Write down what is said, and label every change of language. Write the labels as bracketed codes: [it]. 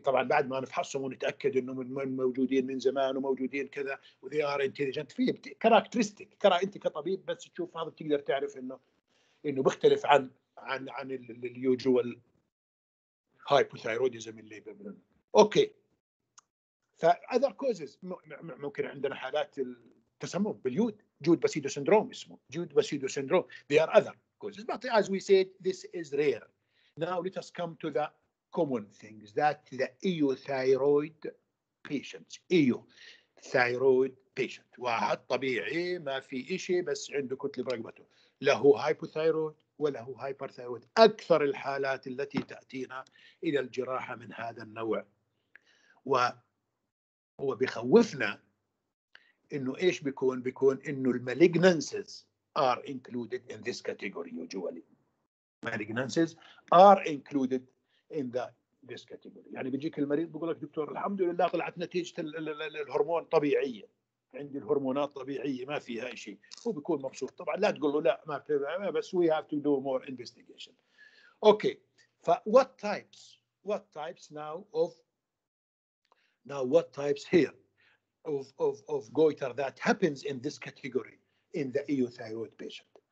[ar] طبعا بعد ما نفحصهم ونتأكد إنه من موجودين من زمان وموجودين كذا و [en] they are intelligent, [ar] فيه كاركترستيك كرا أنت كطبيب بس تشوف هذا تقدر تعرف إنه بيختلف عن عن عن اليوجوال هايبوثايرويديزم اللي بيبنى. أوكي, [en] فأذر كوزز [ar] ممكن عندنا حالات التسمم باليود, جود باسيدو سندروم اسمه, جود باسيدو سندروم. [en] They are other causes, but as we said this is rare. Now let us come to the common things that the euthyroid patients, euthyroid patient, [ar] واحد طبيعي ما في إشي بس عنده كتلة برقبته, له hypothyroid وله hyperthyroid. أكثر الحالات التي تأتينا إلى الجراحة من هذا النوع, وهو بيخوفنا إنه إيش بيكون, بيكون إنه [en] malignancies are included in this category usually. Malignancies are included in this category. [ar] يعني بيجيك المريض بيقول لك دكتور الحمد لله طلعت نتيجة الهرمون طبيعية, عندي الهرمونات طبيعية ما فيها شيء, هو بيكون مبسوط. طبعا لا تقول له لا ما بتبقى, بس [en] we have to do more investigation. Okay, what types here of goiter that happens in this category in the euthyroid patient?